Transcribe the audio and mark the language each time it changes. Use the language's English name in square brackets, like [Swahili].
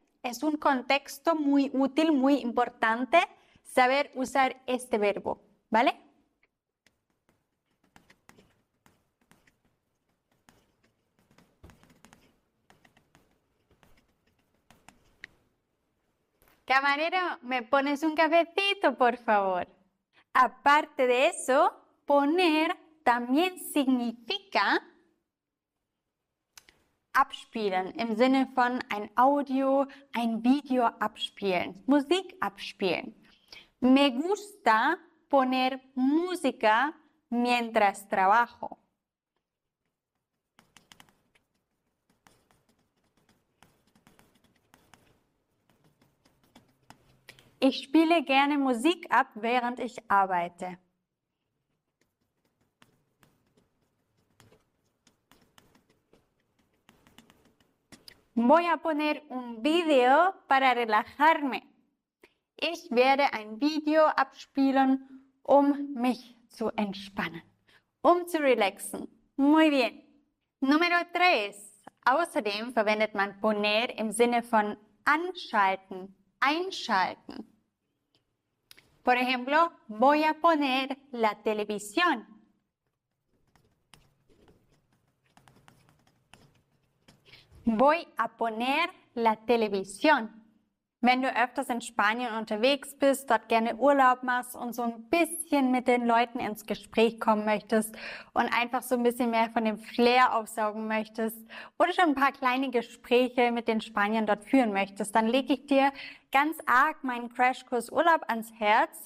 [Spanish] Es un contexto muy útil, muy importante, saber usar este verbo, ¿vale? Camarero, ¿me pones un cafecito, por favor? Aparte de eso, poner también significa [German] abspielen, im Sinne von ein Audio, ein Video abspielen, Musik abspielen. [Spanish] Me gusta poner música mientras trabajo. [German] Ich spiele gerne Musik ab, während ich arbeite. [Spanish] Voy a poner un video para relajarme. [German] Ich werde ein Video abspielen, um mich zu entspannen, um zu relaxen. [Spanish] Muy bien. Número 3. [German] Außerdem verwendet man poner im Sinne von anschalten, einschalten. [Spanish] Por ejemplo, voy a poner la televisión. Voy a poner la televisión. [German] Wenn du öfters in Spanien unterwegs bist, dort gerne Urlaub machst und so ein bisschen mit den Leuten ins Gespräch kommen möchtest und einfach so ein bisschen mehr von dem Flair aufsaugen möchtest oder schon ein paar kleine Gespräche mit den Spaniern dort führen möchtest, dann lege ich dir ganz arg meinen Crashkurs Urlaub ans Herz.